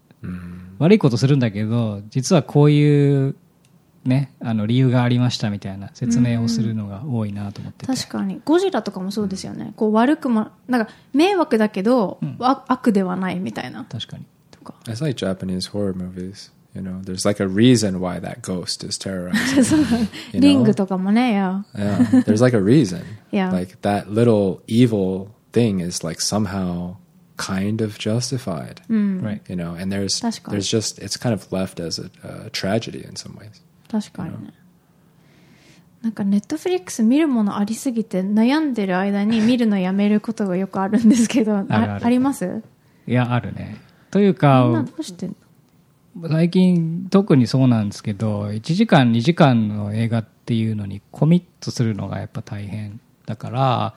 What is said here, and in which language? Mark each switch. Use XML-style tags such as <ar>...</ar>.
<ja>うん、悪いことするんだけど、実はこういう、ね、あの理由がありましたみたいな説明をするのが多いなと思ってて、うん、確かにゴジラとかもそうですよね、うん、こう悪くもなんか迷惑だけど、うん、悪ではないみたいな、確かにとか。</ja> <en>It's like Japanese horror movies. You know, there's like a reason why that ghost is terrorizing.</en> <ja>そう、</ja> <en>you</en> <ja>know? リングとかもね、</ja> <en>yeah. Yeah, there's like a reason. Yeah. Like that little evil thing is like somehow... kind of justified、</en> <ja>うん、</ja> <en>right, you know, and there's just it's kind of left as a tragedy in some ways.</en> <ja>確かにね。なんか Netflix 見るものありすぎて悩んでる間に見るのやめることがよくあるんですけど、あります？いやあるね。というか、みんなどうしてんの？最近特にそうなんですけど、1時間2時間の映画っていうのにコミットするのがやっぱ大変だから。</ja>